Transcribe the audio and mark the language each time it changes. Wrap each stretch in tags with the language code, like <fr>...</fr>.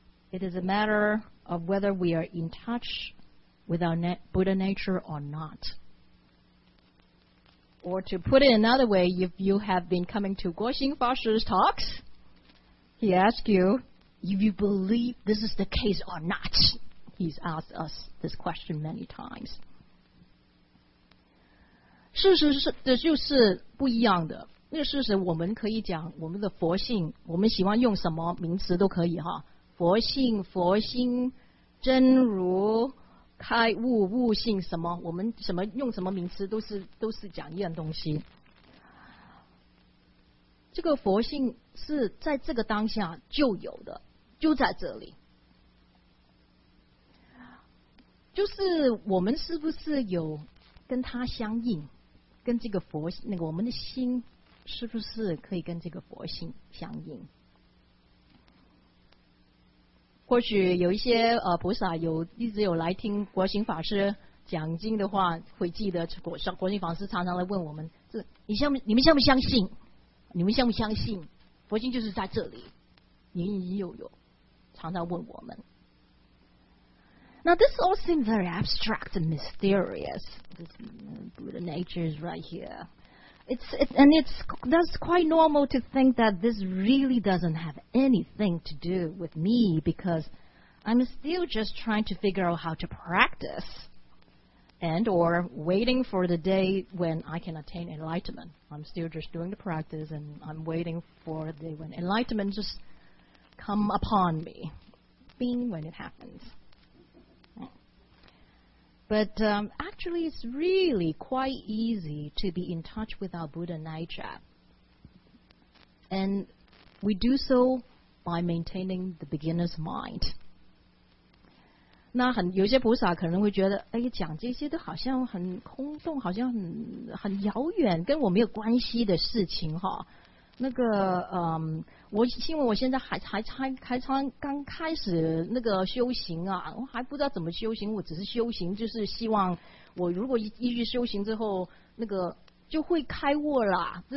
<en>It is a matter of whether we are in touch with our Buddha nature or not. Or to put it another way, if you have been coming to Guoxing Fa Shi's talks, he asks you, if you believe this is the case or not. He's asked us this question many times.</en> <zh>事实是的就是不一样的。那个事实我们可以讲我们的佛性，我们喜欢用什么名词都可以哈，佛性、佛心、真如、开悟、悟性什么，我们什么用什么名词都是讲一样东西。这个佛性是在这个当下就有的，就在这里。就是我们是不是有跟它相应，跟这个佛那个我们的心是不是可以跟这个佛性相应？或许有一些菩萨一直有来听国行法师讲经的话，会记得国行法师常常来问我们：这你们相不相信？你们相不相信佛性就是在这里？隐隐又有常常问我们。</zh> <en>Now this all seems very abstract and mysterious. This Buddha nature is right here. That's quite normal to think that this really doesn't have anything to do with me because I'm still just trying to figure out how to practice and or waiting for the day when I can attain enlightenment. I'm still just doing the practice and I'm waiting for the day when enlightenment just come upon me. Bing, when it happens. But actually, it's really quite easy to be in touch with our Buddha nature. And we do so by maintaining the beginner's mind.</en> <zh>那很有些菩萨可能会觉得，哎，讲这些都好像很空洞，好像很遥远，跟我没有关系的事情哈。那个，我因为我现在还刚开始那个修行啊，我还不知道怎么修行，我只是修行，就是希望我如果一修行之后，那个就会开悟了。</zh>